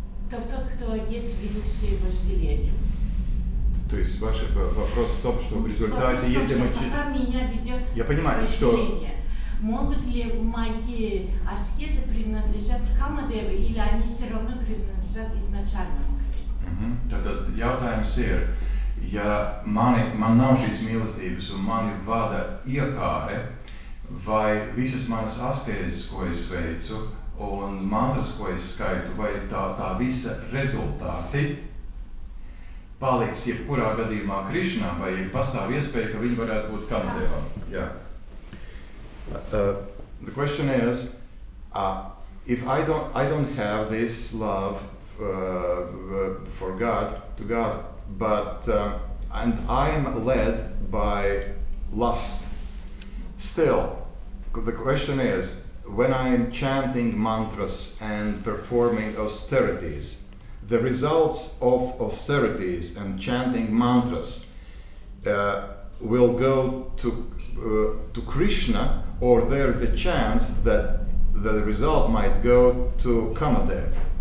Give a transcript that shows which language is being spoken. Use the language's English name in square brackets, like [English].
[Russian] Тот, кто есть ведущий вожделением. То есть ваш вопрос в том, что в результате, что, если мы читаем. Пока меня ведет я понимаю, вожделение, что... могут ли мои аскезы принадлежать Камадеве, или они все равно принадлежат изначально? [Latvian] Tātad jautājums ir, ja man nav šīs mīlestības un mani vada iekāre, vai visas manas askēzes, ko es veicu, un mantras, ko es skaitu, vai tā visa rezultāti paliks jebkurā gadījumā Krišnā, vai pastāv iespēja, ka viņi varētu būt Kamadevā? Jā. [English] The question is, if I don't have this love, for God, to God, but and I'm led by lust. Still, the question is, when I'm chanting mantras and performing austerities, the results of austerities and chanting mantras will go to Krishna, or there's the chance that the result might go to Kamadev.